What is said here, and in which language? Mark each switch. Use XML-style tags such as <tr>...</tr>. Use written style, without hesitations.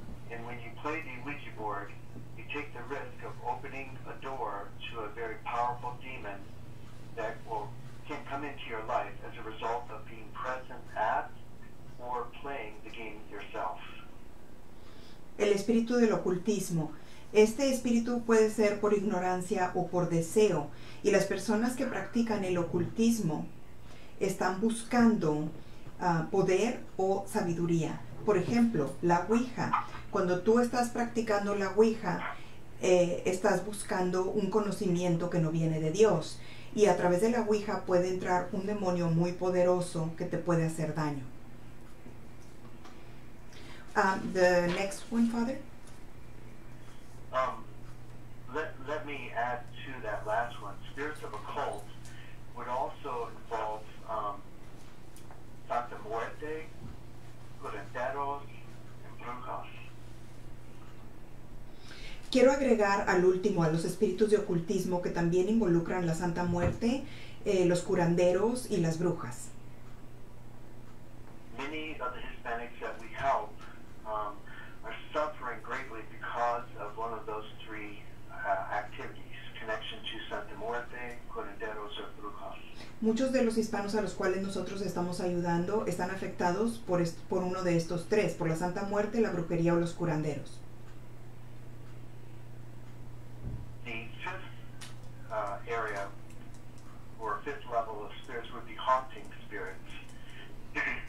<en>And when you play the Ouija board, you take the risk of opening a door to a very powerful demon that can come into your life as a result of being present at or playing the game yourself.</en> <es>El espíritu del ocultismo. Este espíritu puede ser por ignorancia o por deseo. Y las personas que practican el ocultismo están buscando poder o sabiduría. Por ejemplo, la Ouija. Cuando tú estás practicando la Ouija, estás buscando un conocimiento que no viene de Dios. Y a través de la Ouija puede entrar un demonio muy poderoso que te puede hacer daño.</es> <en>The next one, Father. Let me add to that last one. Spirits of occult would also involve Santa Muerte, Curanderos, and Brujas.</en> <es>Quiero agregar al último, a los espíritus de ocultismo que también involucran la Santa Muerte, los curanderos y las brujas.</es> <en>Many of the Hispanics that we help are suffering greatly because of one of those three activities, connection to Santa Muerte, Curanderos, or Brujas.</en> <es>Muchos de los hispanos a los cuales nosotros estamos ayudando están afectados por uno de estos tres, por la Santa Muerte, la brujería o los curanderos.</es> <en>The fifth area or fifth level of spirits would be haunting spirits.</en>